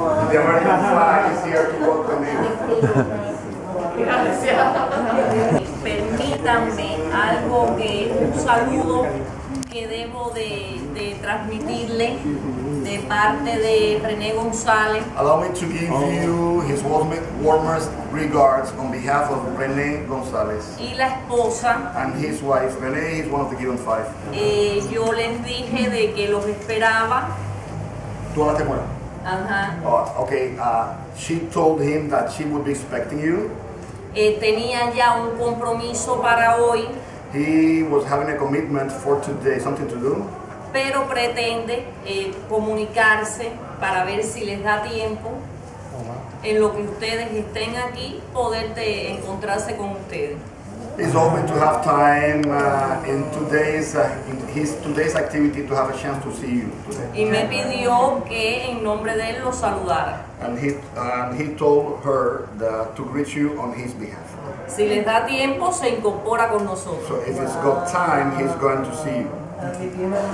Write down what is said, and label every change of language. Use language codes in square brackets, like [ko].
[en] The American flag is here to welcome you. [es] Gracias. Permítanme algo que es un saludo que debo de transmitirle de parte de René González. [en] Allow me to give you his warmest regards on behalf of René González. [es] Y la esposa. [en] And his wife. René is one of the given 5. [es] Yo les dije de que los esperaba. ¿Tú hablaste con él? Ajá. [en] Okay. She told him that she would be expecting you. [es] Tenía ya un compromiso para hoy. [en] He was having a commitment for today, something to do. [es] Pero pretende comunicarse para ver si les da tiempo en lo que ustedes estén aquí poder de encontrarse con ustedes. [en] He's hoping to have time in today's in his today's activity to have a chance to see you today. [es] Y me pidió que en nombre de él lo saludara. [en] And he told her that to greet you on his behalf. [es] Si les da tiempo, se incorpora con nosotros. [en] So if he's got time, he's going to see you.